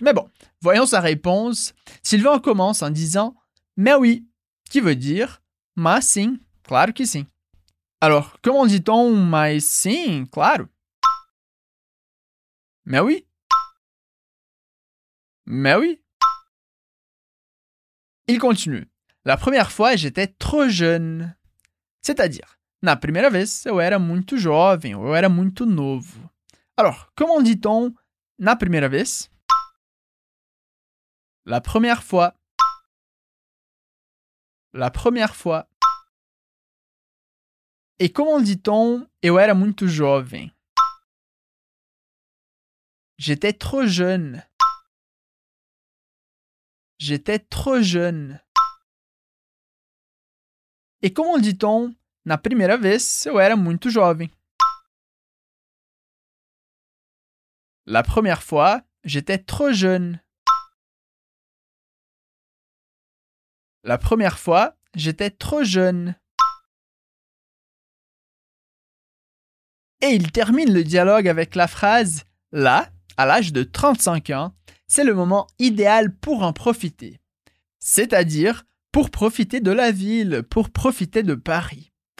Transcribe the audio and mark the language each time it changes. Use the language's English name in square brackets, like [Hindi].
[French] Mais bon, voyons sa réponse. Sylvain commence en disant « Mais oui », qui veut dire « [Portuguese] Mas sim, claro que sim ». [French] Alors, comment dit-on « [Portuguese] mais sim, claro [French] »? Mais oui. Mais oui. Il continue. La première fois, j'étais trop jeune. C'est-à-dire, [Portuguese] na primeira vez, eu era muito jovem, eu era muito novo. [French] Alors, comment dit-on [Portuguese] na primeira vez? [French] La première fois. La première fois. Et comment dit-on « [Portuguese] eu era muito jovem » ? [French] J'étais trop jeune. J'étais trop jeune. Et comment dit-on « [Portuguese] na primeira vez, eu era muito jovem » ? [French] La première fois, j'étais trop jeune. La première fois, j'étais trop jeune. Et il termine le dialogue avec la phrase « Là, à l'âge de 35 ans, c'est le moment idéal pour en profiter. » C'est-à-dire pour profiter de la ville, pour profiter de Paris.